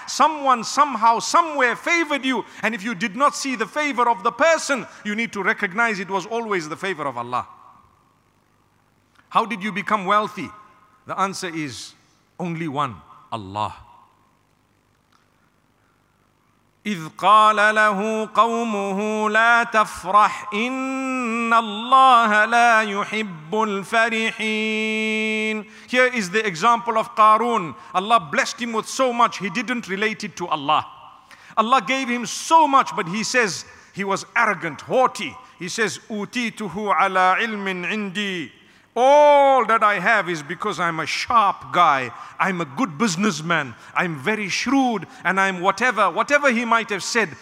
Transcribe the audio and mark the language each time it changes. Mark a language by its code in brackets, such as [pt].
[en] Someone somehow, somewhere favored you. And if you did not see the favor of the person, you need to recognize it was always the favor of Allah. How did you become wealthy? The answer is only one, Allah. [ar] إِذْ قَالَ لَهُ قَوْمُهُ لَا تَفْرَحْ إِنَّ اللَّهَ لَا يُحِبُّ الْفَرِحِينَ [en] Here is the example of Qarun. Allah blessed him with so much, he didn't relate it to Allah. Allah gave him so much, but he says he was arrogant, haughty. He says, [ar] أُوتِيتُهُ عَلَىٰ عِلْمٍ عِنْدِي [en] All that I have is because I'm a sharp guy. I'm a good businessman. I'm very shrewd, and I'm whatever he might have said.